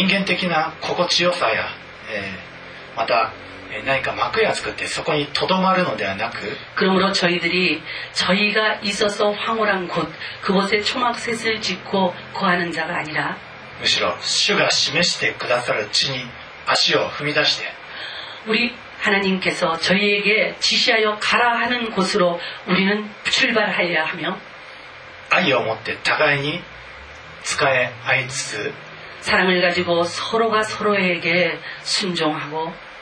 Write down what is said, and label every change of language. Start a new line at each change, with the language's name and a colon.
Japanese: そういうわけで私たちは人間的な心地よさや、また 何か幕屋を作ってそこにとどまるのではなく。
Korean: 그러므로 저희들이 저희가 있어서 황홀한 곳 그곳에 초막셋을 짓고 거하는 자가 아니라
Japanese: むしろ主が示してくださる地に足を踏み出して。
Korean: 우리 하나님께서 저희에게 지시하여 가라 하는 곳으로 우리는 출발해야 하며
Japanese: 愛を持って互いに仕え合いつつ。
Korean: 사랑을 가지고 서로가 서로에게 순종하고